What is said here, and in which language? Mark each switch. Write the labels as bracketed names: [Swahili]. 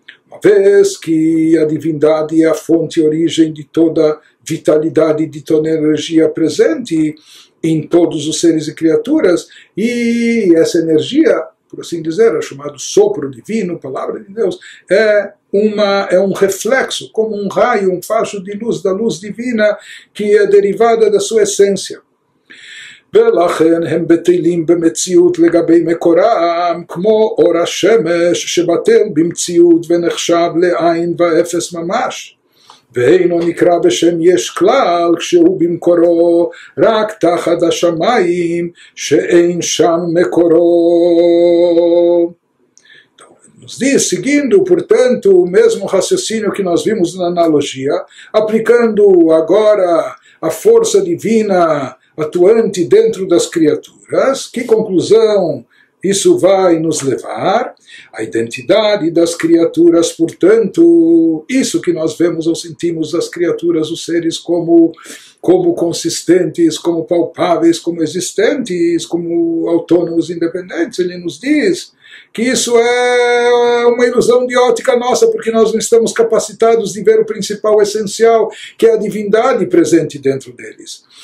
[Portuguese] Uma vez que a divindade é a fonte e origem de toda vitalidade, de toda energia presente em todos os seres e criaturas, e essa energia, por assim dizer, é chamado sopro divino, palavra de Deus, é um reflexo, como um raio, um facho de luz, da luz divina, que é derivada da sua essência. [Hebrew] ולכן הם בטלים במציאות לגבי מקורם, כמו אור השמש שבטל במציאות ונחשב לעין ואפס ממש. ואין הוא נקרא בשם יש כלל כשהוא במקורו רק תחת השמיים שאין שם מקורו. [Portuguese] Nos diz, seguindo, portanto, o mesmo raciocínio que nós vimos na analogia, aplicando agora a força divina atuante dentro das criaturas, que conclusão isso vai nos levar? A identidade das criaturas, portanto, isso que nós vemos ou sentimos as criaturas, os seres como consistentes, como palpáveis, como existentes, como autônomos independentes, ele nos diz que isso é uma ilusão de ótica nossa, porque nós não estamos capacitados de ver o principal essencial, que é a divindade presente dentro deles.